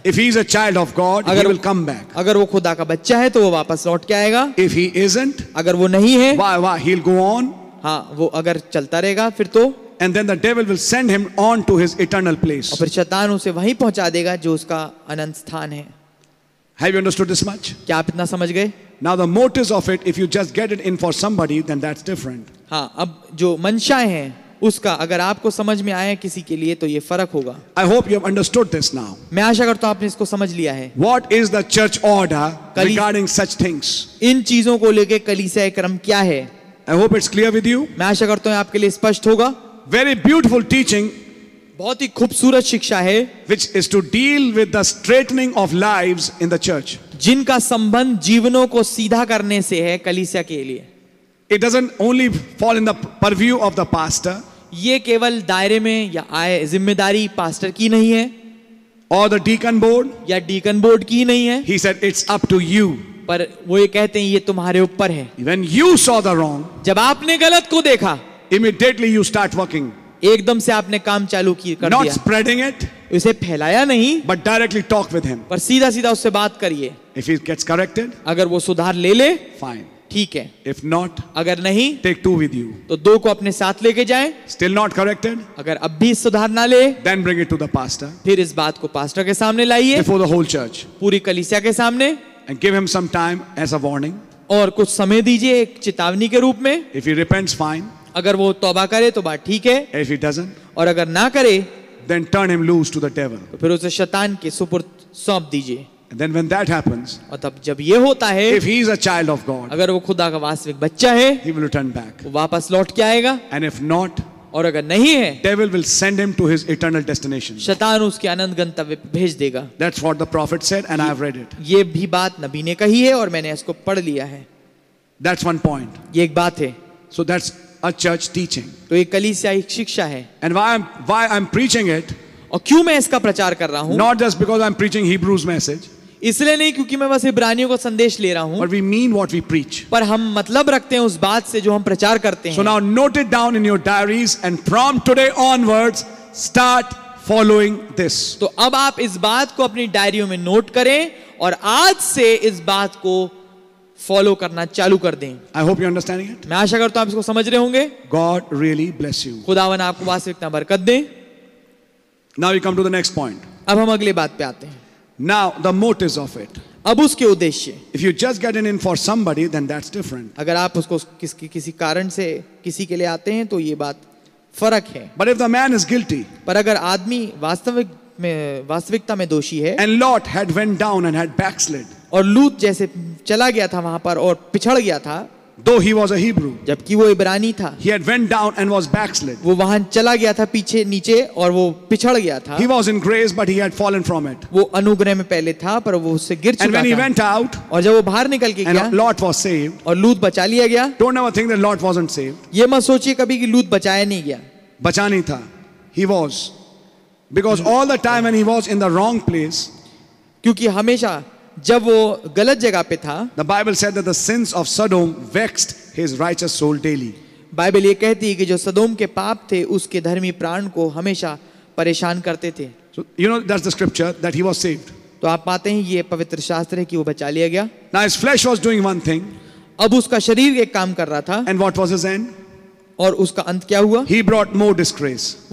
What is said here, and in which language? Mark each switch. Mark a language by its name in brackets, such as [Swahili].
[English] If he's a child of God, he will come back. [Hindi] अगर वो खुदा का बच्चा है, तो वो वापस लौट के आएगा. [English] If he isn't, [Hindi] अगर वो नहीं है, [English] why he'll go on. [Hindi] हाँ, वो अगर चलता रहेगा फिर तो. [English] And then the devil will send him on to his eternal place. [Hindi] और फिर शैतान उसे वहीं पहुंचा देगा जो उसका अनंत स्थान है. [English] Have you understood this much? [Hindi] क्या आप इतना समझ गए? [English] Now the motives of it, if you just get it in for somebody, then that's different. [Hindi] हाँ, अब जो मंशाएं हैं उसका अगर आपको समझ में आया किसी के लिए तो ये फर्क होगा. [English] I hope you have understood this now. [Hindi] मैं आशा करता हूँ आपने इसको समझ लिया है. [English] What is the church order regarding such things? [Hindi] इन चीजों को लेके कलीसिया क्रम क्या है? [English] I hope it's clear with you. [Hindi] मैं आशा करता हूँ आपके लिए स्पष्ट होगा. [English] Very beautiful teaching. [Hindi] बहुत ही खूबसूरत शिक्षा है. [English] Which is to deal with the straightening of lives in the church. [Hindi] जिनका संबंध जीवनों को सीधा करने से है कलीसिया के लिए. [English] It doesn't only fall in the purview of the pastor. [Hindi] ये केवल दायरे में या आए जिम्मेदारी पास्टर की नहीं है. [English] Or the deacon board. [Hindi] या डीकन बोर्ड की नहीं है. [English] He said it's up to you. [Hindi] पर वो ये कहते हैं ये तुम्हारे ऊपर है. [English] When you saw the wrong, [Hindi] जब आपने गलत को देखा, [English] immediately you start working. [Hindi] एकदम से आपने काम चालू कर दिया. [English] Not spreading it, [Hindi] उसे फैलाया नहीं, [English] but directly talk with him. [Hindi] पर सीधा सीधा उससे बात करिए. [English] If he gets corrected, [Hindi] अगर वो सुधार ले ले, [English] fine. [Hindi] ठीक है. [English] If not, [Hindi] अगर नहीं, [English] take two with you. [Hindi] तो दो को अपने साथ लेके जाएं. [English] Still not corrected, [Hindi] अगर अब भी सुधार ना ले, [English] then bring it to the pastor. [Hindi] फिर इस बात को पास्टर के सामने लाइए. [English] Before the whole church, [Hindi] पूरी कलीसिया के सामने. [English] And give him some time as a warning. [Hindi] और कुछ समय दीजिए एक चेतावनी के रूप में. [English] If he repents, fine. [Hindi] अगर वो तौबा करे तो बात ठीक है. [English] If he doesn't, [Hindi] और अगर ना करे, [English] then turn him loose to the devil. [Hindi] तो फिर उसे शतान के सुपुर्द सौंप दीजिए. [English] And then when that happens, [Hindi] और तब जब ये होता है, [English] if he is a child of God, [Hindi] अगर वो खुदा का वास्तविक बच्चा है, [English] he will return back. [Hindi] वो वापस लौट के आएगा. [English] And if not, [Hindi] और अगर नहीं है, [English] devil will send him to his eternal destination. [Hindi] शैतान उसके अनंत गंतव्य पे भेज देगा. [English] That's what the prophet said, and I have read it. [Hindi] ये भी बात नबी ने कही है और मैंने इसको पढ़ लिया है. [English] That's one point. [Hindi] ये एक बात है. [English] So that's a church teaching. [Hindi] तो ये कलीसिया की शिक्षा है. [English] And why I'm preaching it? [Hindi] और क्यों मैं इसका प्रचार कर रहा हूं? [English] Not just because I'm preaching Hebrews message. [Hindi] इसलिए नहीं क्योंकि मैं बस इब्रानियों का संदेश ले रहा हूं. [English] But we mean what we preach. [Hindi] पर हम मतलब रखते हैं उस बात से जो हम प्रचार करते हैं. [English] So now note it down in your diaries and from today onwards start following this. [Hindi] तो अब आप इस बात को अपनी डायरियों में नोट करें और आज से इस बात को फॉलो करना चालू कर दें. [English] I hope you're understanding it. [Hindi] मैं आशा करता हूं आप इसको समझ रहे होंगे. [English] God really bless you. [Hindi] खुदावन आपको वास्तविकता बरकत दें. [English] Now we come to the next point. [Hindi] अब हम अगले बात पे आते हैं. [English] Now the motives of it. [Hindi] अब उसके उद्देश्य. [English] If you just get in for somebody, then that's different. [Hindi] अगर आप उसको किसी कारण से किसी के लिए आते हैं तो ये बात फरक है. [English] But if the man is guilty. [Hindi] पर अगर आदमी वास्तविकता में दोषी है. [English] And Lot had went down and had backslid. [Hindi] और लूत जैसे चला गया था वहां पर और पिछड़ गया था. [English] Though he was a Hebrew. [Hindi] जबकि वो इब्रानी था. [English] He had went down and was backslid. [Hindi] वो वहां चला गया था पीछे नीचे और वो पिछड़ गया था. [English] He was in grace but he had fallen from it. [Hindi] वो अनुग्रह में पहले था पर वो उससे गिर चुका था. [English] And when he went out. [Hindi] और जब वो बाहर निकल के गया. [English] Lot was saved. [Hindi] और लूत बचा लिया गया. [English] Don't ever think that Lot wasn't saved. [Hindi] ये मत सोचिए कभी कि लूत बचाया नहीं गया. बचा नहीं था. [English] He was. Because all the time when he was in the wrong place. [Hindi] क्योंकि हमेशा जब वो गलत जगह पे था. [English] The Bible said that the sins of Sodom vexed his righteous soul daily. [Hindi] Bible ये कहती है कि जो सदोम के पाप थे उसके धर्मी प्राण को हमेशा परेशान करते थे. [English] So, you know, that's the scripture that he was saved. [Hindi] तो आप पाते हैं ये पवित्र शास्त्र है कि वो बचा लिया गया. [English] Now his flesh was doing one thing. [Hindi] अब उसका शरीर एक काम कर रहा था. [English] And what was his end? [Hindi] और उसका अंत क्या हुआ? [English] He brought more disgrace.